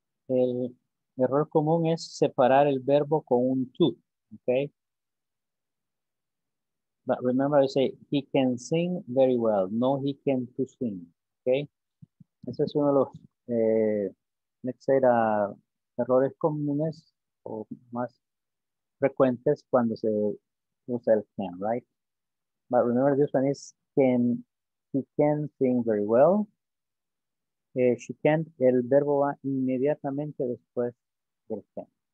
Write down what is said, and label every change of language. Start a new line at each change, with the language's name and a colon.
Spanish: El error común es separar el verbo con un to, okay?
English: But remember, I say he can sing very well. No, he can to sing, okay?
Spanish: Ese es uno de los,
English: let's say,
Spanish: errores comunes o más frecuentes cuando se usa el can, right?
English: But remember, this one is can, he can sing very well. She can,
Spanish: el verbo va inmediatamente después del can.